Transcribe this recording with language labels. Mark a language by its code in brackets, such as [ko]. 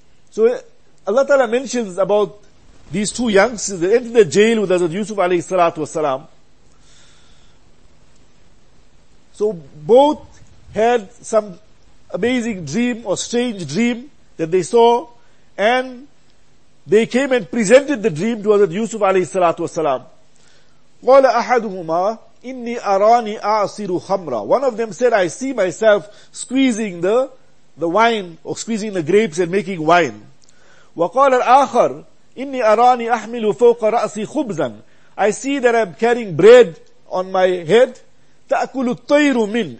[en] So Allah Ta'ala mentions about these two youngsters that entered the jail with Hazrat Yusuf alayhi salatu wasalam. So both had some amazing dream or strange dream that they saw, and they came and presented the dream to Hazrat Yusuf alayhi salatu wasalam. [ar] قَالَ أَحَدُهُمَا إِنِّي أَرَانِي أَعْصِرُ خَمْرًا. [en] One of them said, I see myself squeezing the wine, or squeezing the grapes and making wine. [ar] وَقَالَ الْآخَرُ إِنِّي أَرَانِي أَحْمِلُ فَوْقَ رَأْسِي خُبْزًا. [en] I see that I'm carrying bread on my head. [ar] تَأْكُلُ الطَّيْرُ مِنْ.